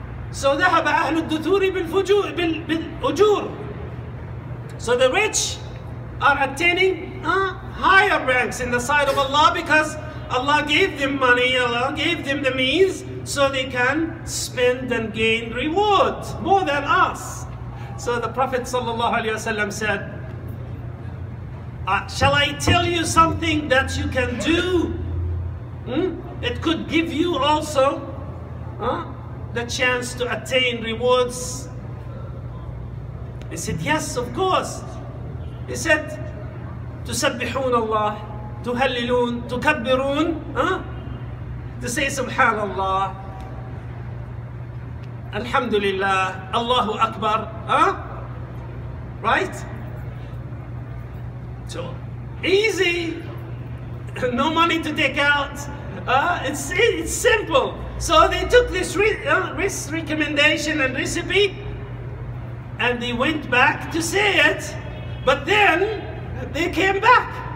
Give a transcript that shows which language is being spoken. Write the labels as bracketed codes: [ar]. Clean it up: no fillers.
[ar] So ذهب أهل الدثور بالأجور. [en] So the rich are attaining higher ranks in the sight of Allah, because Allah gave them money, Allah gave them the means, so they can spend and gain reward more than us. So the Prophet sallallahu alaihi wasallam said, shall I tell you something that you can do? It could give you also the chance to attain rewards. He said, yes, of course. He said, [ar] تسبحون الله, تهللون, تكبرون, [en] to say [ar] سبحان الله, الحمد لله, الله أكبر, [en] right? So easy, no money to take out, it's simple. So they took this recommendation and recipe and they went back to say it, but then they came back.